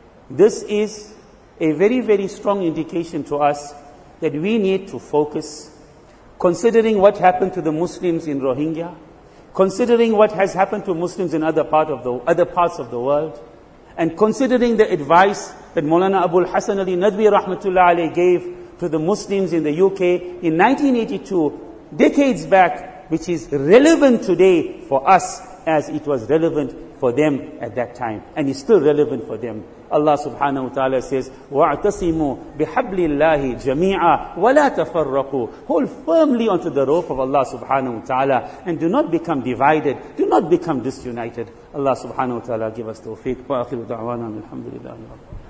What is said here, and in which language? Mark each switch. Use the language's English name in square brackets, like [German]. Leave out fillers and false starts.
[English] This is a very, very strong indication to us that we need to focus, considering what happened to the Muslims in Rohingya, considering what has happened to Muslims in other parts of the world, and considering the advice that Maulana Abul Hasan Ali Nadwi Rahmatullah Ali gave to the Muslims in the UK in 1982, decades back, which is relevant today for us as it was relevant for them at that time, and is still relevant for them. Allah subhanahu wa ta'ala says, [Arabic] وَاعْتَصِمُوا بِحَبْلِ اللَّهِ جَمِيعًا وَلَا تَفَرَّقُوا. [English] Hold firmly onto the rope of Allah subhanahu wa ta'ala and do not become divided, do not become disunited. Allah subhanahu wa ta'ala give us tawfiq. [Arabic] وَآخِرُ دَعْوَانَا الْحَمْدُ لِلَّهِ رَبِّ